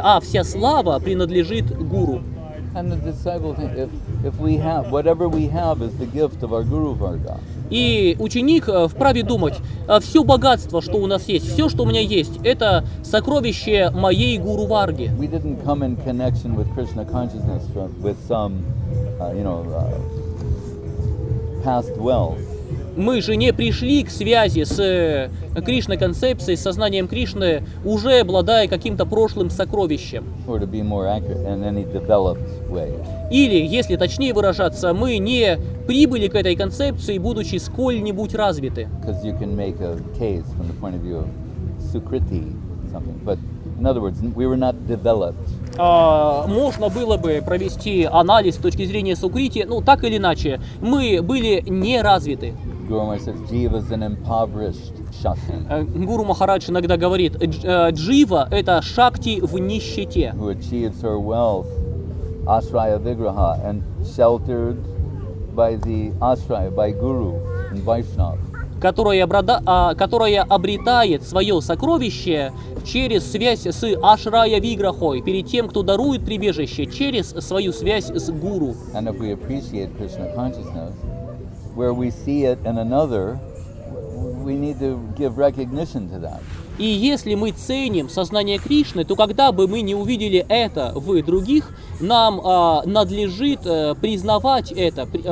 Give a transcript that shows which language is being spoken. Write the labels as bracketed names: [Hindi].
[Russian] А вся слава принадлежит Гуру. И ученик вправе думать, все богатство, что у нас есть, все, что у меня есть, это сокровище моей Гуру Варги. [English] We didn't come in connection with Krishna consciousness with some, you know, past wealth. [Russian] Мы же не пришли к связи с Кришной концепцией, с сознанием Кришны, уже обладая каким-то прошлым сокровищем. [English] Or to be more accurate, in any developed way. [Russian] Или, если точнее выражаться, мы не прибыли к этой концепции, будучи сколь-нибудь развиты. [English] Because you can make a case from the point of view of Sukriti something, but in other words, we were not developed. [Russian] Можно было бы провести анализ с точки зрения Сукрити, ну так или иначе, мы были не развиты. Гуру Махарадж иногда говорит, джива – это шакти в нищете. [English] Who achieves her wealth, ashraya vigraha, and sheltered by the ashraya, by guru, and Vaishnav. [Russian] Которая обретает свое сокровище через связь с Ашрая Виграхой, перед тем, кто дарует прибежище, через свою связь с Гуру. [English] And if we appreciate Krishna consciousness, where we see it in another, we need to give recognition to that. [Russian] И если мы ценим сознание Кришны, то когда бы мы не увидели это в других, нам надлежит признавать это.